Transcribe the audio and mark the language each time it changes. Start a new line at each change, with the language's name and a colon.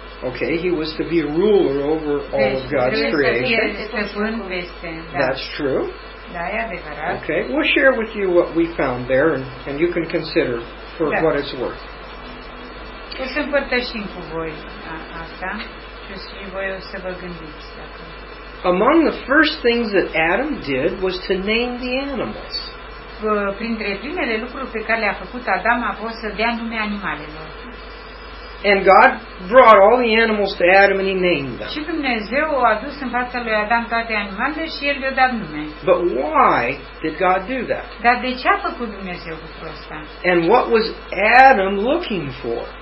English: Okay, he was to be ruler over all of God's creation. That's true. Okay, we'll share with you what we found there and you can consider for what it's worth.
Romanian: O să împărtășim cu voi asta și voi o să vă gândiți dacă...
English: Among the first things that Adam did was to name the animals.
Romanian: Printre primele lucruri pe care le-a făcut Adam a fost să dea nume animalelor.
English: And God brought all the animals to Adam and he named them.
Romanian: Și Dumnezeu a adus în fața lui Adam toate animalele și el le-a dat nume.
English: But why did God do that?
Romanian: Dar de ce a făcut Dumnezeu lucrul ăsta?
English: And what was Adam looking for?